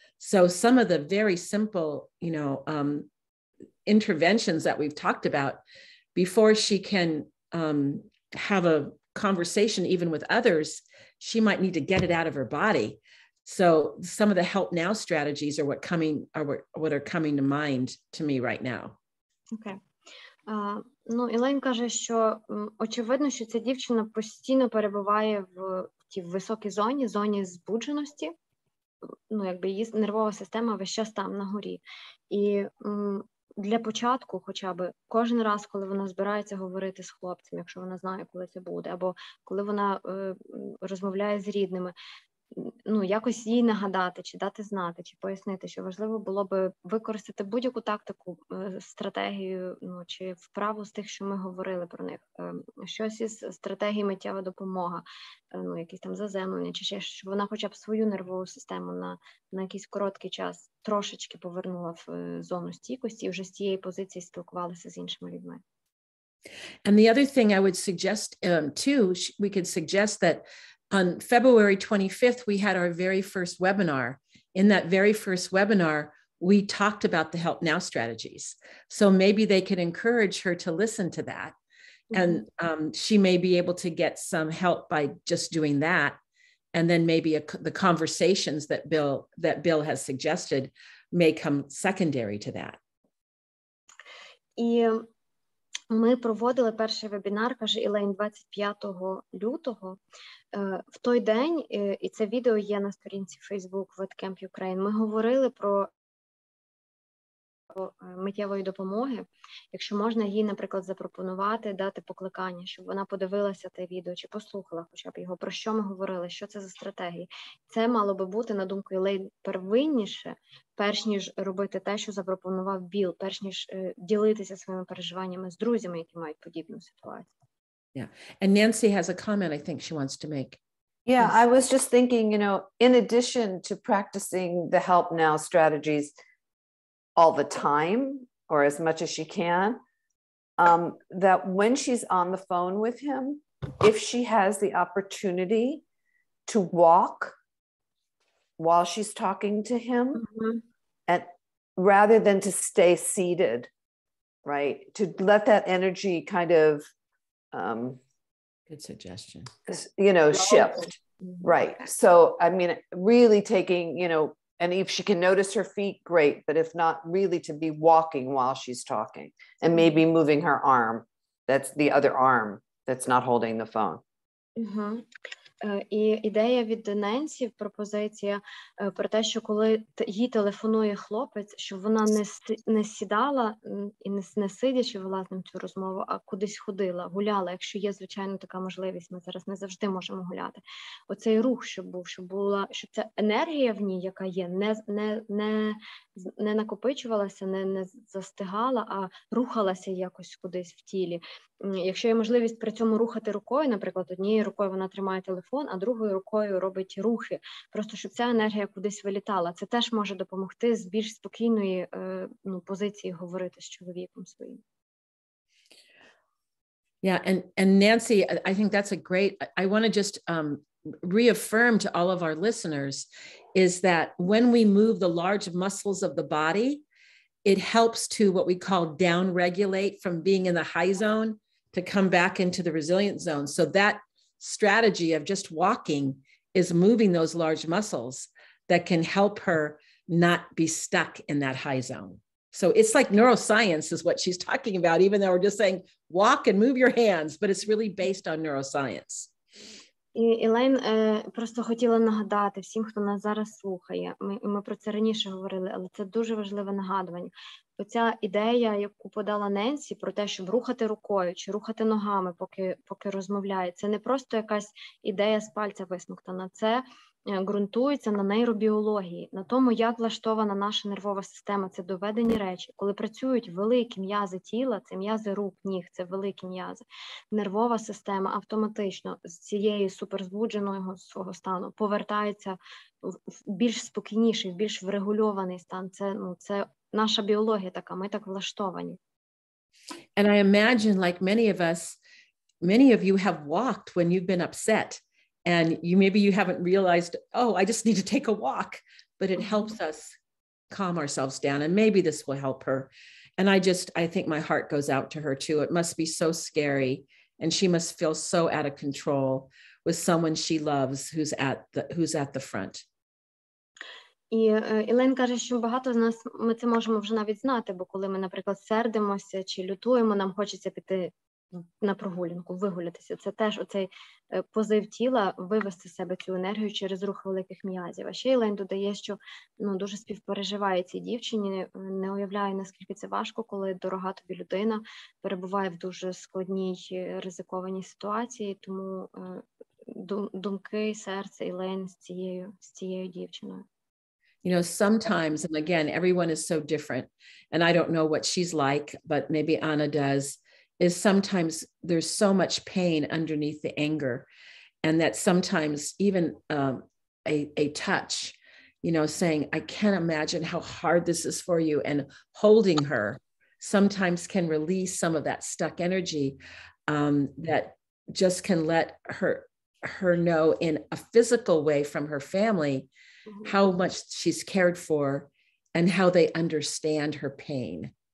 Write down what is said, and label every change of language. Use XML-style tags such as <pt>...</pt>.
<en>So some of the very simple, you know, interventions that we've talked about before she can have a conversation even with others, she might need to get it out of her body. So some of the help now strategies are what are coming to mind to me right now. Okay.</en> <uk>Ну, Елен каже, що очевидно, що ця дівчина постійно перебуває в тій високій зоні, зоні збудженості. Ну, якби її нервова система весь час там, на горі. І для початку хоча б кожен раз, коли вона збирається говорити з хлопцем, якщо вона знає, коли це буде, або коли вона розмовляє з рідними, ну, якось їй нагадати, чи дати знати, чи пояснити, що важливо було б використати будь-яку тактику, стратегію, ну, чи вправу з тих, що ми говорили про них. Щось із стратегії миттєва допомога, ну, якісь там заземлення, чи ще, щоб вона хоча б свою нервову систему на якийсь короткий час трошечки повернула в зону стійкості і вже з цієї позиції спілкувалася з іншими людьми.</uk> <en>And the other thing I would suggest, too, we could suggest that on February 25th, we had our very first webinar. In that very first webinar, we talked about the Help Now strategies. So maybe they could encourage her to listen to that. Mm-hmm. And she may be able to get some help by just doing that. And then maybe the conversations that Bill has suggested may come secondary to that. Yeah.</en> <uk>Ми проводили перший вебінар, каже Елен, 25 лютого. В той день, і це відео є на сторінці Facebook WordCamp Ukraine, ми говорили про миттєвої допомоги, якщо можна їй, наприклад, запропонувати, дати покликання, щоб вона подивилася те відео чи послухала хоча б його, про що ми говорили, що це за стратегії. Це мало би бути, на думку Елен, первинніше, перш ніж робити те, що запропонував Біл, перш ніж ділитися своїми переживаннями з друзями, які мають подібну ситуацію.</uk> <en>Yeah. And Nancy has a comment, I think she wants to make. Yeah, I was just thinking, you know, in addition to practicing the help now strategies all the time or as much as she can, that when she's on the phone with him, if she has the opportunity to walk while she's talking to him, mm-hmm. and rather than to stay seated, right, to let that energy kind of good suggestion, you know, shift. Right. So, I mean, really taking, you know, and if she can notice her feet, great. But if not, really to be walking while she's talking and maybe moving her arm. That's the other arm that's not holding the phone. Mm-hmm.</en> <uk>І ідея від Ненсі, пропозиція про те, що коли їй телефонує хлопець, щоб вона не сідала і не сидячи, власне, цю розмову, а кудись ходила, гуляла, якщо є, звичайно, така можливість, ми зараз не завжди можемо гуляти. Оцей рух, щоб був, щоб була, щоб ця енергія в ній, яка є, не накопичувалася, не застигала, а рухалася якось кудись в тілі. Якщо є можливість при цьому рухати рукою, наприклад, однією рукою вона тримає телефон, а другою рукою робить рухи, просто щоб ця енергія кудись вилітала. Це теж може допомогти з більш спокійної позиції говорити з чоловіком своїм.</uk> <en>Yeah, and Nancy, I think that's a great, I want to just reaffirm to all of our listeners is that when we move the large muscles of the body, it helps to what we call down-regulate from being in the high zone to come back into the resilient zone. So that strategy of just walking is moving those large muscles that can help her not be stuck in that high zone. So it's like neuroscience is what she's talking about, even though we're just saying, walk and move your hands, but it's really based on neuroscience.</en> <uk>І Елейн просто хотіла нагадати всім, хто нас зараз слухає. Ми про це раніше говорили, але це дуже важливе нагадування. Бо ця ідея, яку подала Ненсі, про те, щоб рухати рукою чи рухати ногами, поки розмовляє, це не просто якась ідея з пальця висмоктана. Це ґрунтується на нейробіології, на тому, як влаштована наша нервова система. Це доведені речі. Коли працюють великі м'язи тіла, це м'язи рук, ніг, це великі м'язи. Нервова система автоматично з цієї суперзбудженого свого стану повертається в більш спокійніший, в більш врегульований стан. Це наша біологія така, ми так влаштовані.</uk> <en>And I imagine, like many of us, many of you have walked when you've been upset. And you maybe you haven't realized, oh, I just need to take a walk, but it helps us calm ourselves down. And maybe this will help her. And I think my heart goes out to her too. It must be so scary. And she must feel so out of control with someone she loves who's at the front.</en> <uk>І Елен каже, що багато з нас, ми це можемо вже навіть знати, бо коли ми, наприклад, сердимося чи лютуємо, нам хочеться піти на прогулянку, вигулятися. Це теж оцей позив тіла вивести з себе цю енергію через рух великих м'язів. А ще Елен додає, що дуже співпереживає цій дівчині, не уявляє, наскільки це важко, коли дорога тобі людина перебуває в дуже складній, ризикованій ситуації. Тому думки, серце Елен з цією дівчиною.</uk> <en>You know, sometimes, and again, everyone is so different, and I don't know what she's like, but maybe Anna does, is sometimes there's so much pain underneath the anger, and that sometimes even a touch, you know, saying, I can't imagine how hard this is for you, and holding her sometimes can release some of that stuck energy that just can let her know in a physical way from her family how much she's cared for and how they understand her pain.</en>